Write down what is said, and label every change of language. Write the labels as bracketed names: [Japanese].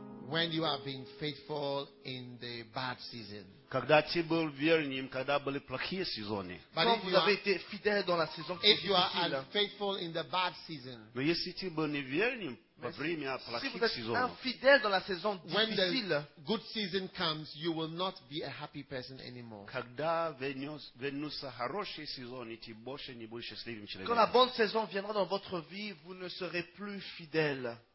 [English] When you have been faithful in the bad season. [Russian] Когда ты был верным, когда были плохие сезоны. Но вы были верны в сезоне, который был. Но если ты был неверным во время плохих сезонов. [French] Si vous êtes infidèle dans la saison difficile, [English] when the good season comes, you will not be a happy person anymore. [Russian] Когда вернутся хорошие сезоны, ты больше не будешь счастливым человеком. [French] Quand la bonne saison viendra dans votre vie, vous ne serez plus fidèle.